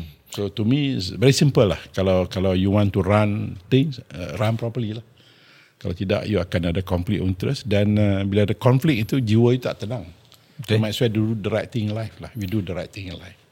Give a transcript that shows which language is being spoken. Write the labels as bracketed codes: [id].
[en] So to me it's very simple lah. [ms] Kalau [en] you want to run things, run properly lah. [ms] Kalau tidak you akan ada [en] conflict interest [ms] dan bila ada conflict itu jiwa you tak tenang. [en] Okay. So might as well do the right thing in life lah. We do the right thing in life.